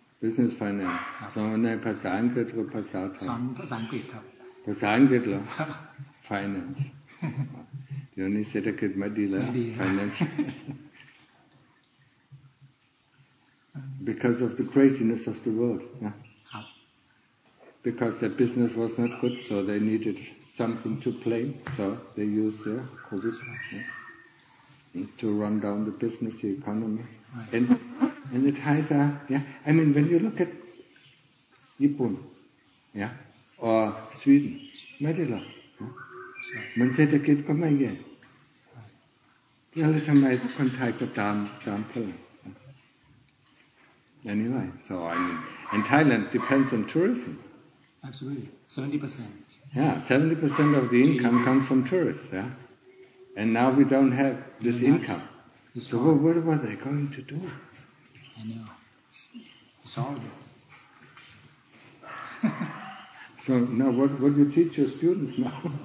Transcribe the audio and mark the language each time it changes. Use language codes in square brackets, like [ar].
[th] business finance สอนในภาษาอังกฤษกับภาษาไทย สอนภาษาอังกฤษครับ ภาษาอังกฤษเหรอ ครับ [en] finance [th] เดี๋ยวนี้เศรษฐกิจไม่ดีแล้ว [en] finance because of the craziness of the world นะ [th] ครับ [en] because their business was not good so they neededsomething to play, so they use the COVID to run down the business, the economy, and it has a, I mean, when you look at Japan, or Sweden, not at all. [th] มันเศรษฐกิจก็ไม่แย่แล้วทำไมคนไทยก็ตามเท่าไหร่ [en] anyway, so I mean, and Thailand depends on tourism. Absolutely, 70%. Yeah, 70% of the income comes from tourists. Yeah, and now we don't have this income. So what are they going to do? I know, it's horrible. So now, what do you teach your students now?